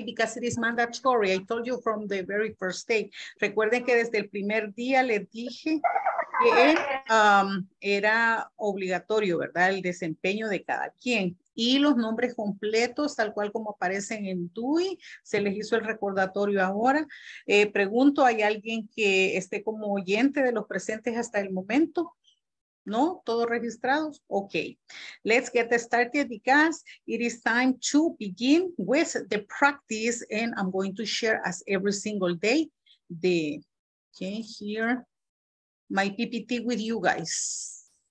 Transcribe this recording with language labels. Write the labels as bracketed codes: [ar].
[en] Because it is mandatory. I told you from the very first day. [es] Recuerden que desde el primer día les dije que era obligatorio, ¿verdad? El desempeño de cada quien. Y los nombres completos, tal cual como aparecen en DUI, se les hizo el recordatorio ahora. Pregunto, ¿hay alguien que esté como oyente de los presentes hasta el momento? ¿No? ¿Todos registrados? Ok. [en] Let's get started because it is time to begin with the practice and I'm going to share as every single day the, okay, here, my PPT with you guys.